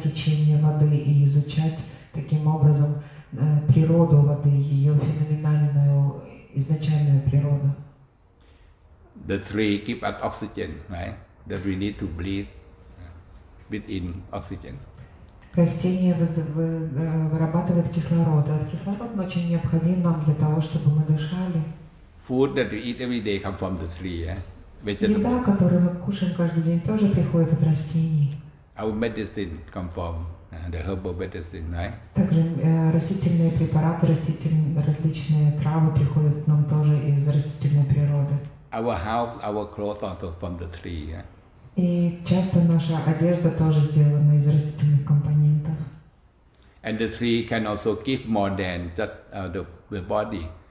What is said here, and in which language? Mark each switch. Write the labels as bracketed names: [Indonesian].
[Russian] изучать таким образом природу воды, ее феноменальную изначальную природу. [English] The three keep us oxygen, right? That we need to breathe within oxygen. [Russian] Растение вырабатывает кислород, а кислород очень необходим нам для того, чтобы мы дышали. [English] Food that we eat every day comes from the tree, vegetables. [Russian] Еда, которую мы кушаем каждый день, тоже приходит от растений. [English] Our medicine comes from the herbal medicine, right? [Russian] Также растительные препараты, различные травы приходят нам тоже из растительной природы. [English] Our house, our clothes also from the tree, [Russian] И часто наша одежда тоже сделана из растительных компонентов. [English] And the tree can also give more than just the body.